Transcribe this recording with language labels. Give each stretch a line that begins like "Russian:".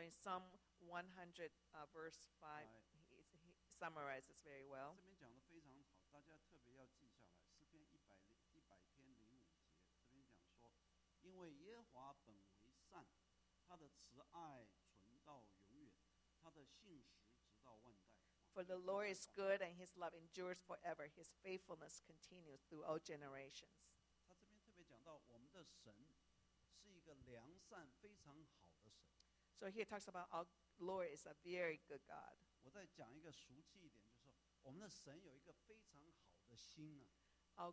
English: in Psalm 100, verse 5, he summarizes very well.
Chinese: 这边讲的非常好，大家特别要记下来，诗篇100篇05节这边讲说。因为耶和华本为善，他的慈爱存到永远，他的信实直到万代。
English: For the Lord is good and His love endures forever; His faithfulness continues through all generations.
Chinese: 他这边特别讲到，我们的神是一个良善、非常好的神。
English: So here talks about our Lord is a very good God.
Chinese: 我再讲一个俗气一点，就是说，我们的神有一个非常好的心呢。
English: Our